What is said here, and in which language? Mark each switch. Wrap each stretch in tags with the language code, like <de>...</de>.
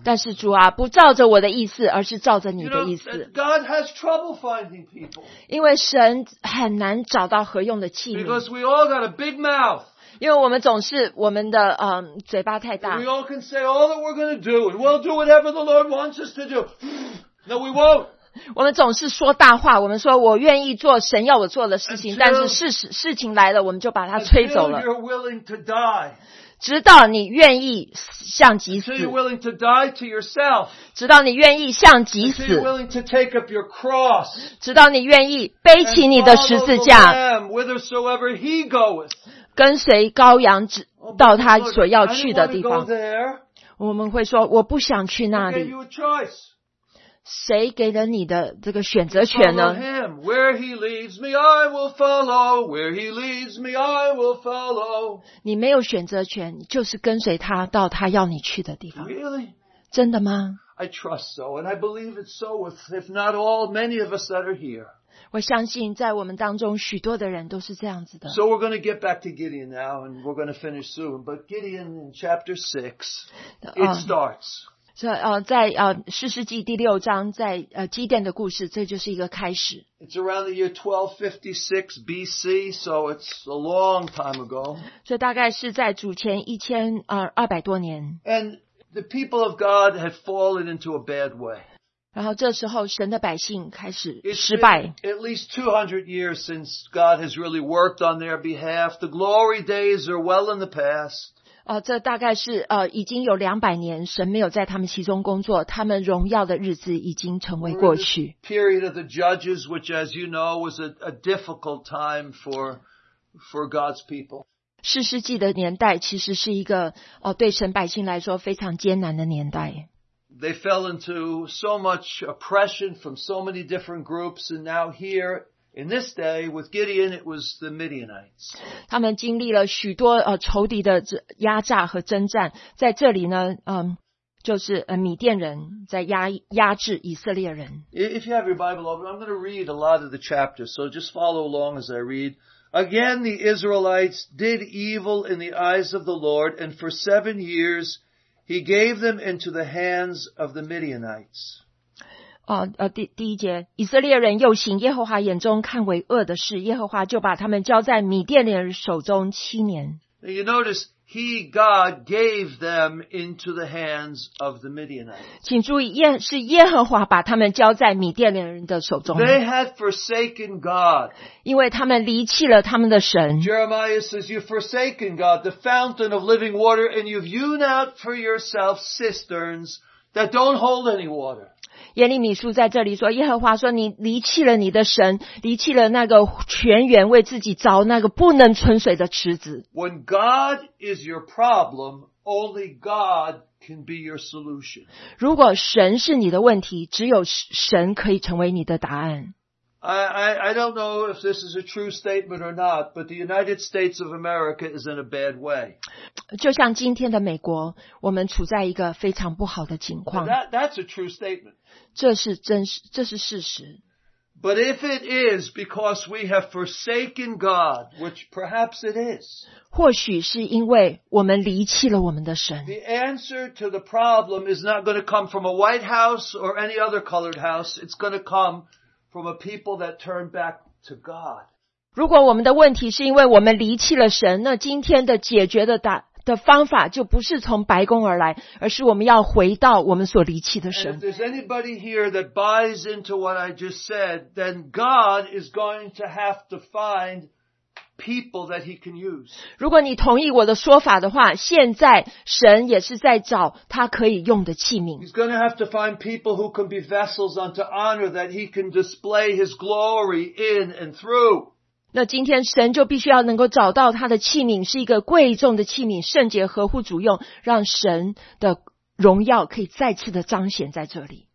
<zh>但是主啊，不照着我的意思，而是照着你的意思。</zh> <en>You know, God has trouble finding people.</en> <zh>因为神很难找到合用的器皿。</zh> <en>Because we all got a big mouth.</en> <zh>因为我们总是我们的嘴巴太大。</zh> <en>We all can say all that we're going to do, and we'll do whatever the Lord wants us to do. No, we won't.</en> <zh>我们总是说大话，我们说我愿意做神要我做的事情，但是事情来了，我们就把它吹走了。</zh> <en>Until you're willing to die.</en> <zh>直到你愿意向己死。</zh> <en>Until you're willing to die to yourself.</en> <zh>直到你愿意向己死。</zh> <en>Until you're willing to take up your cross.</en> <zh>直到你愿意背起你的十字架。</zh> <en>And follow the Lamb whithersoever he goeth.</en> <zh>跟随羔羊到他所要去的地方。</zh> <en>I didn't want to go there.</en> <zh>我们会说我不想去那里。</zh> <en>I gave you a choice.</en> <zh>谁给了你的这个选择权呢</zh> <en>？Follow him. Where he leads me, I will follow. Where he leads me, I will follow.</en> <zh>你没有选择权，就是跟随他到他要你去的地方。</zh> <en>Really?</en> <zh>真的吗</zh> <en>？I trust so, and I believe it's so. If not all, many of us that are here.</en> <zh>我相信在我们当中许多的人都是这样子的。</zh> <en>So we're going to get back to Gideon now, and we're going to finish soon. But Gideon in chapter 6, it starts.</en> <zh>在士师记第六章，在基甸的故事，这就是一个开始。</zh> <en>It's around the year 1256 BC, so it's a long time ago.</en> <zh>所以大概是在主前1200多年。</zh> <en>And the people of God had fallen into a bad way.</en> <zh>然后这时候神的百姓开始失败。</zh> <en>It's been at least 200 years since God has really worked on their behalf. The glory days are well in the past.</en> <zh>这大概是已经有200年神没有在他们其中工作，他们荣耀的日子已经成为过去。</zh> <en>Period of the judges, which as you know was a difficult time for God's people.</en> <zh>士师记的年代其实是一个对神百姓来说非常艰难的年代。</zh> <en>they fell into so much oppression from so many different groups, and now here in this day with Gideon, it was the Midianites.</en> <zh>他们经历了许多仇敌的压榨和征战，在这里呢，就是米甸人在压制以色列人。</zh> <en>If you have your Bible open, I'm going to read a lot of the chapters, so just follow along as I read. Again, the Israelites did evil in the eyes of the Lord, and for 7 years He gave them into the hands of the Midianites.</en> <zh>第一节，以色列人又行耶和华眼中看为恶的事，耶和华就把他们交在米甸人手中七年。</zh> <en>You notice. He, God, gave them into the hands of the Midianites.</en> <zh>请注意，是耶和华把他们交在米甸人的手中。</zh> <en>They had forsaken God.</en> <zh>因为他们离弃了他们的神。</zh> <en>Jeremiah says, you've forsaken God, the fountain of living water, and you've hewn out for yourself cisterns that don't hold any water.</en> <zh>耶利米书在这里说，耶和华说，你离弃了你的神，离弃了那个泉源，为自己凿那个不能存水的池子。</zh> <en>When God is your problem, only God can be your solution.</en> <zh>如果神是你的问题，只有神可以成为你的答案。</zh> <en>I don't know if this is a true statement or not, but the United States of America is in a bad way.</en> <zh>就像今天的美国，我们处在一个非常不好的境况。</zh> <en>That's a true statement.</en> <zh>这是事实。</zh> <en>But if it is because we have forsaken God, which perhaps it is,</en> <zh>或许是因为我们离弃了我们的神。</zh> <en>The answer to the problem is not going to come from a White House or any other colored house. It's going to come... from a people that turn back to God.</en> <zh>如果我们的问题是因为我们离弃了神，那今天的解决的方法就不是从白宫而来，而是我们要回到我们所离弃的神。</zh> <en>And if there's anybody here that buys into what I just said, then God is going to have to find people that he can use.</en> <zh>如果你同意我的说法的话，现在神也是在找他可以用的器皿。</zh> <en>He's going to have to find people who can be vessels unto honor that he can display his glory in and through.</en> <zh>那今天神就必须要能够找到他的器皿，是一个贵重的器皿，圣洁合乎主用，让神的荣耀可以再次的彰显在这里。</zh>